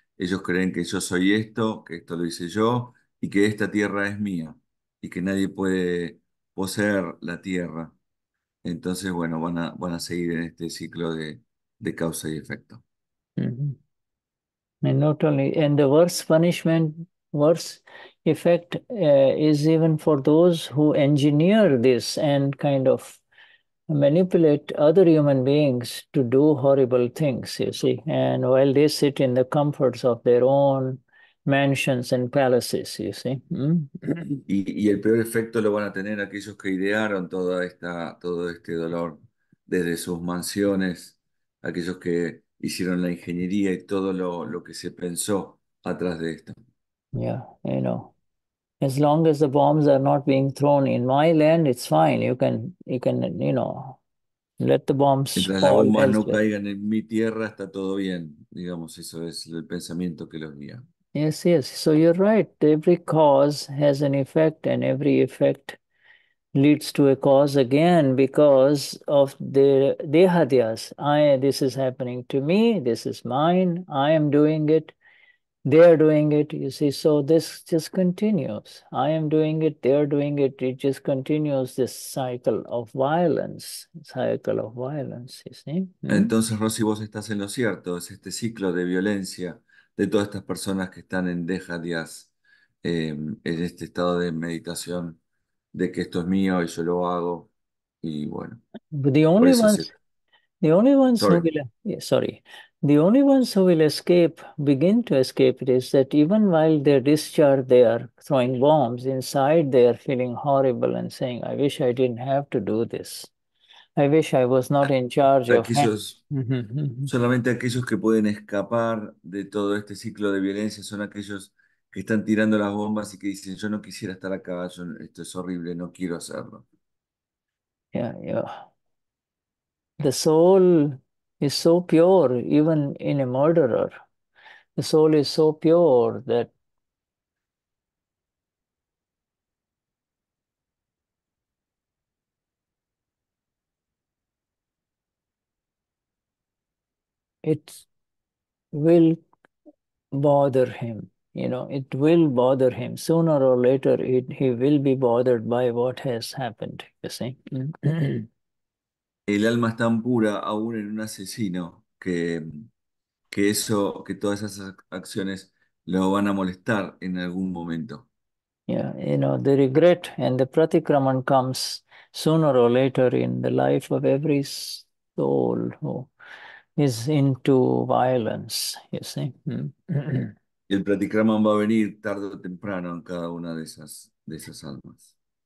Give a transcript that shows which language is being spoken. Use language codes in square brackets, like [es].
[es] Ellos creen que yo soy esto, que esto lo hice yo, y que esta tierra es mía, y que nadie puede poseer la tierra. Entonces, bueno, van a seguir en este ciclo de causa y efecto. [en] And not only, and the worst punishment. Worse effect is even for those who engineer this and kind of manipulate other human beings to do horrible things, you see. And while they sit in the comforts of their own mansions and palaces, you see. [es] Y el peor efecto lo van a tener aquellos que idearon toda esta, todo este dolor desde sus mansiones, aquellos que hicieron la ingeniería y todo lo que se pensó atrás de esto. [en] Yeah, you know, as long as the bombs are not being thrown in my land, it's fine. You can, you know, let the bombs [es] Mientras las [en] fall [es] bombas no [en] elsewhere. [es] caigan en mi tierra, está todo bien. Digamos, eso es el pensamiento que los guía. [en] Yes. So you're right. Every cause has an effect, and every effect leads to a cause again because of the Dehadhyas. This is happening to me. This is mine. I am doing it. They are doing it, you see. So this just continues. I am doing it, they are doing it. It just continues this cycle of violence, cycle of violence, you see. [es] Entonces, Rosy, vos estás en lo cierto, es este ciclo de violencia de todas estas personas que están en Deha-adhyaas, en este estado de meditación, de que esto es mío y yo lo hago, y bueno, [en] But [es] por eso se... [en] the only ones who Sorry. will, yeah, sorry. The only ones who will escape, begin to escape it, is that even while they're discharged, they are throwing bombs inside, they are feeling horrible and saying, I wish I didn't have to do this. I wish I was not in charge of him. [es] Aquellos, solamente aquellos que pueden escapar de todo este ciclo de violencia son aquellos que están tirando las bombas y que dicen, yo no quisiera estar acá, yo, esto es horrible, no quiero hacerlo. [en] Yeah. The soul is so pure, even in a murderer. The soul is so pure that it will bother him. You know, it will bother him. Sooner or later, he will be bothered by what has happened, you see. [es] El alma es tan pura aún en un asesino que eso, que todas esas acciones lo van a molestar en algún momento. [en] You know, the regret and the pratikraman comes sooner or later in the life of every soul who is into violence, you see. [es] El pratikraman va a venir tarde o temprano en cada una de esas almas.